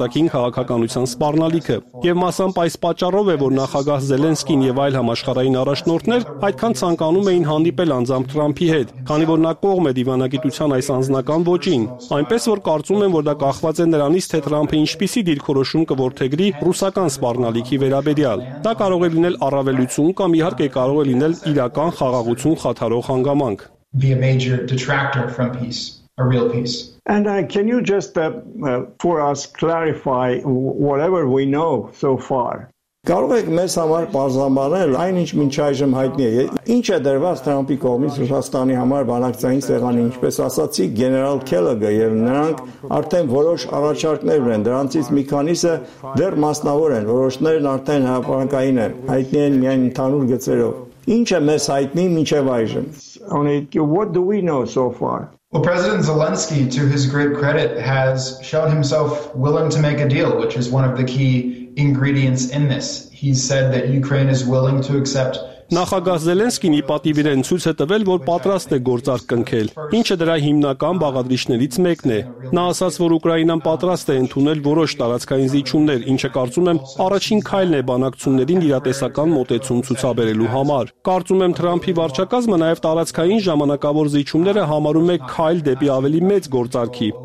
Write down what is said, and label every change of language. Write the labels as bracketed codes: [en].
[hy] արտաքին քաղաքականության սպառնալիքը։ Եվ մասամբ այս պատճառով է, որ նախագահ Զելենսկին եւ այլ համաշխարհային առաջնորդներ այդքան ցանկանում էին հանդիպել անձամբ Թրամփի հետ, քանի որ նա կողմ է դիվանագիտության այս անձնական ոճին, այնպես որ կարծում եմ, որ դա կախված է նրանից, թե Թրամփը ինչպիսի դիրքորոշում կորթեգրի ռուսական սպառնալիքի վերաբերյալ։ Դա կարող է լինել առավելություն կամ իհարկե կարող է լինել իրական խաղաղություն խաթարող հանգամանք։ [en] Be a major detractor from peace, a real peace. And can you just for us clarify whatever we know so far? [hy] Կարող եք մեզ համար պարզաբանել այնինչ մինչ այժմ հայտնի է։ Ինչ է դրված Թրամփի կողմից Ռուսաստանի համար բանակցային սեղանի, ինչպես ասացի, գեներալ Քելլոգը, եւ նրանք արդեն որոշ առաջարկներ ունեն, դրանցից մի քանիսը դեռ մասնավոր են, որոշներն արդեն հարաբերական են, հայտնի են միայն ընդհանուր գծերով։ Ինչ է մեզ հայտնի մինչև այժմ? [en] What do we know so far? Well, President Zelensky, to his great credit, has shown himself willing to make a deal, which is one of the key ingredients in this. He said that Ukraine is willing to accept. [hy] Նախագահ Զելենսկին ի պատիվ իրեն ցույց է տվել, որ պատրաստ է գործարք ընկնել, ինչը դրա հիմնական բաղադրիչներից մեկն է։ Նա ասաց, որ Ուկրաինան պատրաստ է ընդունել որոշ տարածքային զիջումներ, ինչը կարծում եմ առաջին քայլն է բանակցություններին իրատեսական մոտեցում ցուցաբերելու համար։ Կարծում եմ, Թրամփի վարչակազմը նաև տարածքային ժամանակավոր զիջումները համարում է քայլ դեպի ավելի մեծ գործարքի,